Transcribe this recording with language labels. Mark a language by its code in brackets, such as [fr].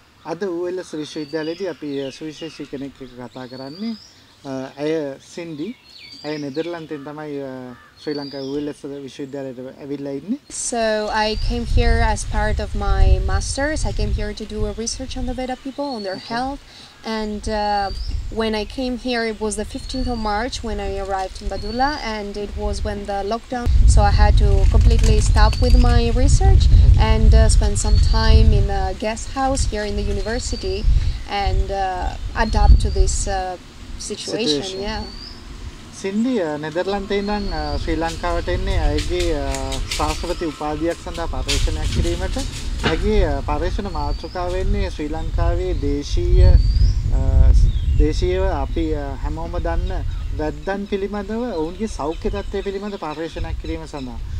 [si] අද UL විශ්වවිද්‍යාලයේදී අපි සුවිශේෂී කෙනෙක් එක්ක කතා කරන්නේ අය සින්ඩි අය නෙදර්ලන්තෙන් තමයි ශ්‍රී ලංකා UL විශ්වවිද්‍යාලයට ඇවිල්ලා ඉන්නේ. [en] So I came here as part of my masters. I came here to do a research on the Veda people, on their health. And when I came here, it was the 15th of March when I arrived in Badulla, and it was when the lockdown, so I had to completely stop with my research and spend some time in a guest house here in the university and adapt to this situation. Yeah. [si] Cindy, Netherlands ඉඳන් ශ්‍රී ලංකාවට එන්නේ ඇගේ ශාස්ත්‍රපති උපාධියක් සඳහා පර්යේෂණයක් කිරීමට. ඇගේ පර්යේෂණ මාතෘකාව වෙන්නේ ශ්‍රී ලංකාවේ දේශීය දේශීයව අපි හැමෝම දන්න වැද්දන් පිළිබඳව ඔවුන්ගේ සෞඛ්‍ය තත්ත්වය පිළිබඳ පර්යේෂණයක් කිරීම සඳහා.